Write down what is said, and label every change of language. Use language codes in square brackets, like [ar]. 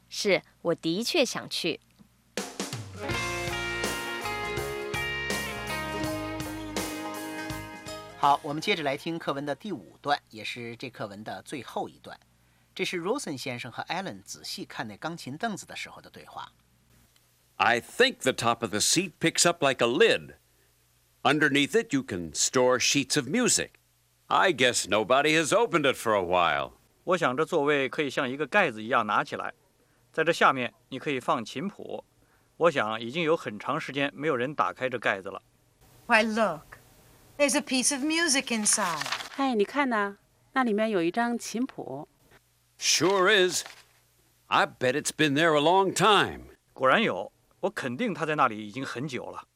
[zh] 是，我的确想去。好，我们接着来听课文的第五段，也是这课文的最后一段。这是 Rosen 先生和 Alan 仔细看那钢琴凳子的时候的对话。 [en] I think the top of the seat picks up like a lid. Underneath it, you can store sheets of music. I guess nobody has opened it for a while. [zh] 我想这座位可以像一个盖子一样拿起来，在这下面你可以放琴谱。我想已经有很长时间没有人打开这盖子了。 [en] Why look? There's a piece of music inside. [zh] 哎，你看呐，那里面有一张琴谱。 [en] Sure is. I bet it's been there a long time. [zh] 果然有。我肯定他在那里已经很久